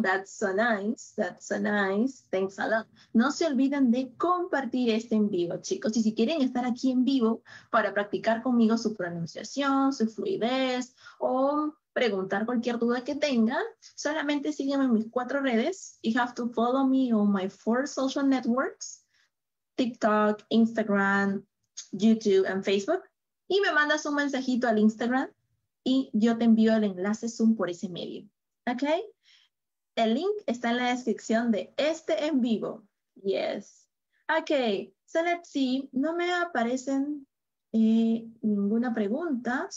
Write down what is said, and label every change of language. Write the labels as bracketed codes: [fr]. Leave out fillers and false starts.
[en] That's so nice. That's so nice. Thanks a lot. [es] No se olviden de compartir este en vivo, chicos. Y si quieren estar aquí en vivo para practicar conmigo su pronunciación, su fluidez o preguntar cualquier duda que tengan, solamente síganme en mis cuatro redes. [en] You have to follow me on my four social networks: TikTok, Instagram, YouTube, and Facebook. [es] Y me mandas un mensajito al Instagram. Y yo te envío el enlace Zoom por ese medio. ¿Ok? El link está en la descripción de este en vivo. [en] Yes. Ok. So let's see. [es] No me aparecen ninguna pregunta.